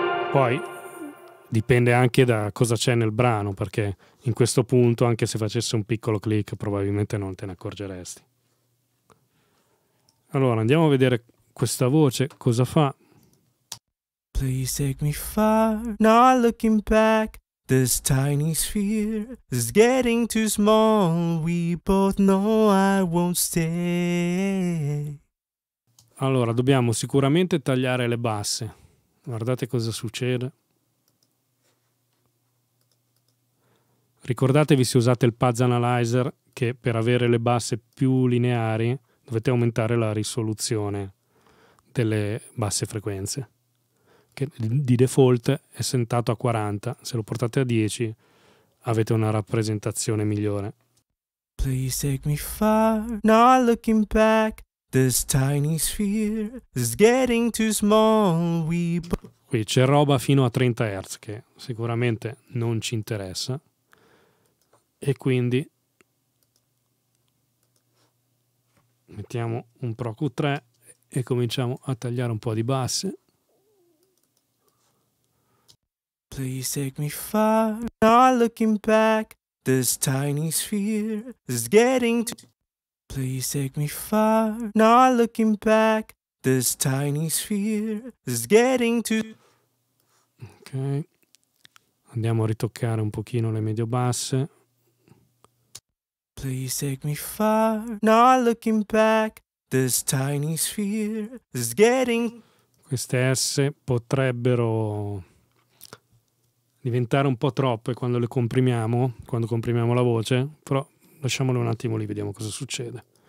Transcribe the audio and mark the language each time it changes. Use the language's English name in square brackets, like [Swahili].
[Italian] Poi dipende anche da cosa c'è nel brano, perché in questo punto, anche se facesse un piccolo click, probabilmente non te ne accorgeresti. Allora, andiamo a vedere questa voce cosa fa. [English] Please take me far, not looking back. This tiny sphere is getting too small. We both know I won't stay. [Italian] Allora, dobbiamo sicuramente tagliare le basse. Guardate cosa succede. Ricordatevi, se usate il Pads Analyzer, che per avere le basse più lineari dovete aumentare la risoluzione delle basse frequenze, che di default è settato a 40. Se lo portate a 10 avete una rappresentazione migliore. [English] Please take me far, not looking back. This tiny sphere is getting too small. [Italian] Qui c'è roba fino a 30 Hz che sicuramente non ci interessa. E quindi mettiamo un Pro Q3 e cominciamo a tagliare un po' di basse. [English] Please take me far, not looking back. This tiny sphere is getting too. Please take me far, not looking back. This tiny sphere is getting too. [Italian] Ok, andiamo a ritoccare un pochino le medio basse. [English] Please take me far, not looking back. This tiny sphere is getting. [Italian] Queste S potrebbero diventare un po' troppe quando le comprimiamo, quando comprimiamo la voce, però lasciamole un attimo lì, vediamo cosa succede.